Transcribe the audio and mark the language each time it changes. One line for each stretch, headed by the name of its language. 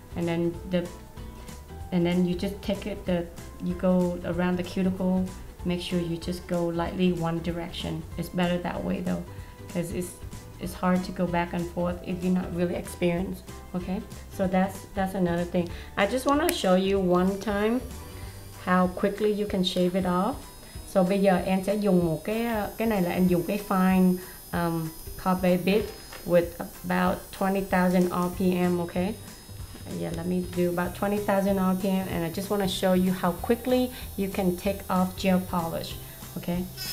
English: And then you go around the cuticle, make sure you just go lightly one direction. It's better that way though, because it's hard to go back and forth if you're not really experienced, okay? So that's another thing. I just want to show you one time how quickly you can shave it off.
Vietnamese: So bây giờ em sẽ dùng một cái này là em dùng cái
English: fine carbide bit with about 20,000 RPM, okay? Yeah, let me do about 20,000 RPM, and I just want to show you how quickly you can take off gel polish, okay?